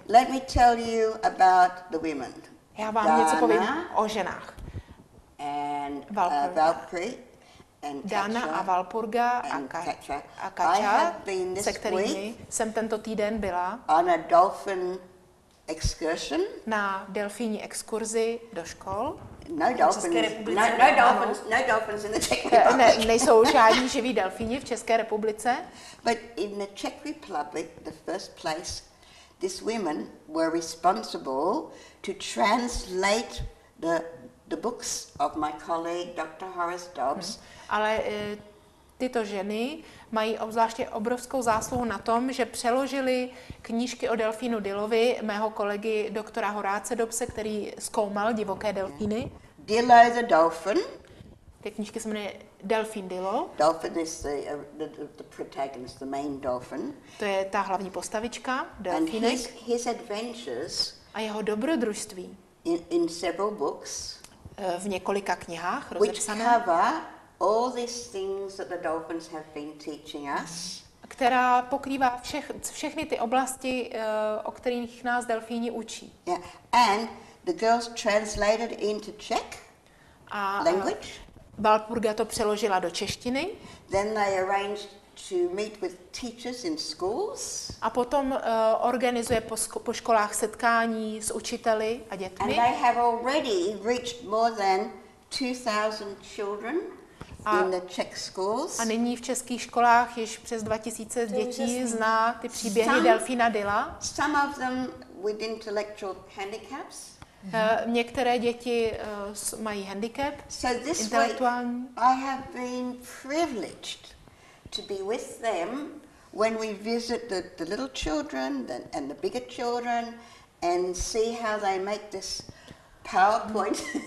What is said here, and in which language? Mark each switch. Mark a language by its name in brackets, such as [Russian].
[English] Let me tell you about the women. [Czech] Já vám Dana, něco povím o ženách. [English] And Valkyrie and [Czech] Dana a Valpurga a Kača, se kterými jsem tento týden byla [English] on a dolphin excursion. [Czech] Na delfíní exkurzi do škol. [English] No dolphins in the Czech Republic. [Czech] Nejsou žádní živí delfíni v České republice. [English] But in the Czech Republic, the first place, these women were responsible to translate the books of my colleague Dr. Horace Dobbs. [Czech] Ale tyto ženy mají obzvláště obrovskou zásluhu na tom, že přeložili knížky o delfínu Dillovi mého kolegy doktora Horace Dobse, který zkoumal divoké delfíny. [English] Dillo the dolphin. [Czech] Ty knížky se jmenuje Delfín Dillo. [English] Dolphin is the protagonist, the main dolphin. [Czech] To je ta hlavní postavička, delfínek. [English] And his adventures. [Czech] A jeho dobrodružství. [English] In several books. [Czech] V několika knihách rozepsané. [English] Which cover all these things that the dolphins have been teaching us. [Czech] Která pokrývá všechny ty oblasti, o kterých nás delfíni učí. [English] Yeah. And the girls translated into Czech language. [Czech] Walpurga to přeložila do češtiny. [English] Then they arranged to meet with teachers in schools. [Czech] A potom organizuje po školách setkání s učiteli a dětmi. [English] And they have already reached more than 2,000 children. A in the Czech schools. [Czech] A nyní v českých školách již přes 2000 dětí zná ty příběhy Delfína Dilla. [English] Some of them with intellectual handicaps. [Czech] Některé děti mají handicap. [English] So this [Czech] intelektuální. [English] Way I have been privileged to be with them when we visit the little children and the bigger children and see how they make this PowerPoint.